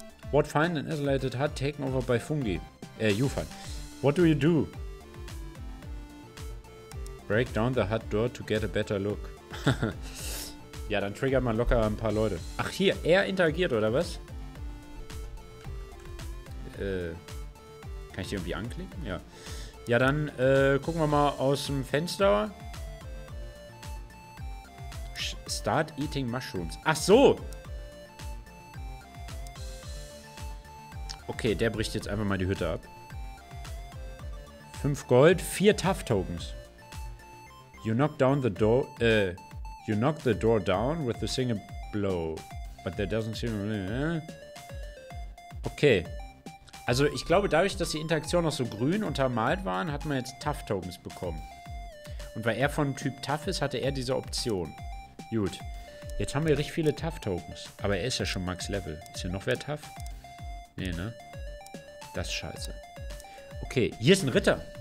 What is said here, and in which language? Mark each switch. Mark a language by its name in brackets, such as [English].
[English] What find an isolated hut taken over by Fungi? Yufan. What do you do? Break down the hut door to get a better look. [German] Ja, dann triggert man locker ein paar Leute. Ach hier, er interagiert, oder was? Kann ich die irgendwie anklicken? Ja. Ja, dann gucken wir mal aus dem Fenster. [English] Start eating mushrooms. [German] Ach so! Okay, der bricht jetzt einfach mal die Hütte ab. [English] 5 Gold, 4 Tough Tokens. You knock down the door. You knock the door down with a single blow. But there doesn't seem. Okay. [German] Also, ich glaube, dadurch, dass die Interaktionen noch so grün untermalt waren, hat man jetzt Tough Tokens bekommen. Und weil er von Typ Tough ist, hatte er diese Option. Gut. Jetzt haben wir richtig viele Tough Tokens. Aber er ist ja schon Max Level. Ist hier noch wer tough? Nee, ne? Das ist scheiße. Okay, hier ist ein Ritter.